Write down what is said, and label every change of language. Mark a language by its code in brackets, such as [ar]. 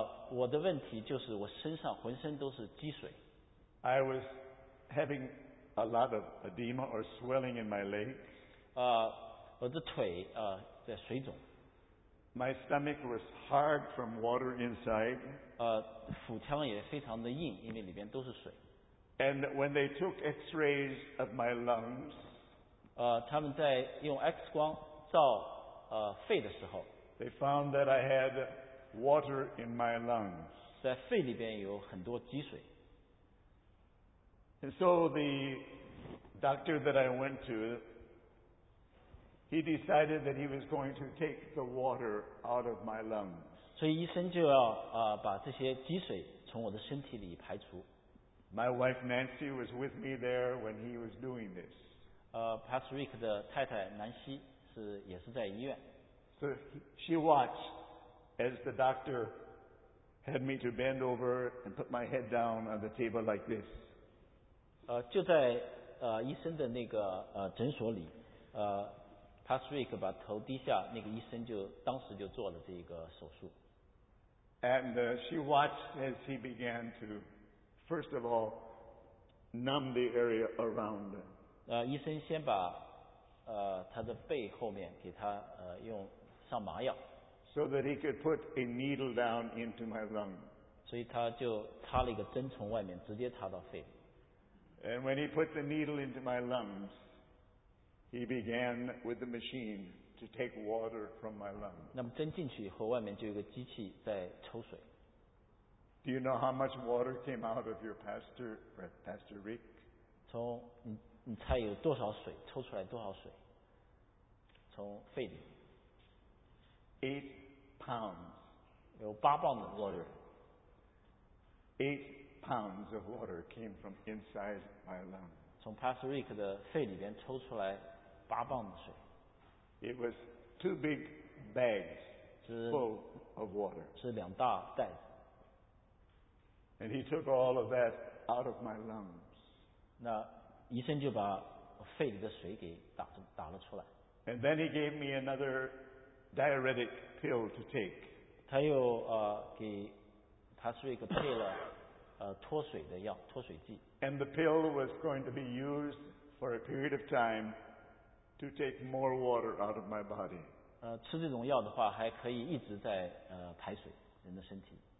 [zh] 我的问题就是我身上浑身都是积水。 [en] I was having a lot of edema or swelling in my legs. [zh] 我的腿在水肿。 [en] My stomach was hard from water inside. [zh] 腹腔也非常的硬，因为里边都是水。 [en] And when they took X-rays of my lungs, [zh] 他们在用 X 光照肺的时候 [en] ，they found that I had water in my lungs. [zh] 在肺里边有很多积水。 [en] And so the doctor that I went to, he decided that he was going to take the water out of my lungs. [zh] 所以医生就要把这些积水从我的身体里排除。 [en] My wife Nancy was with me there when he was doing this. [zh] Pastor Rick 的太太南希是也是在医院。 [en] So she watched as the doctor had me to bend over and put my head down on the table like this. [zh] 就在医生的那个诊所里，Pastor Rick 把头低下，那个医生就当时就做了这个手术。 [en] And she watched as he began to, first of all, numb the area around. [zh] 医生先把他的背后面给他用上麻药。 [en] So that he could put a needle down into my lung. [zh] 所以他就插了一个针从外面直接插到肺。 [en] And when he put the needle into my lungs, he began with the machine. To take water from my lungs. [zh] 那么针进去以后，外面就有一个机器在抽水。 [en] Do you know how much water came out of your pastor, Pastor Rick? [zh] 从你猜有多少水抽出来多少水？从肺里。 [en] 8 pounds. [zh] 有八磅的 water. [en] 8 pounds of water came from inside my lungs. [zh] 从 Pastor Rick 的肺里边抽出来八磅的水。 [en] It was 2 big bags full of water. [zh] 是两大袋子。 [en] And he took all of that out of my lungs. [zh] 那医生就把肺里的水给打了出来。 [en] And then he gave me another diuretic pill to take. [zh] 他又给他是一个配了脱水的药，脱水剂。 And the pill was going to be used for a period of time. To take more water out of my body. 吃这种药的话，还可以一直在排水人的身体。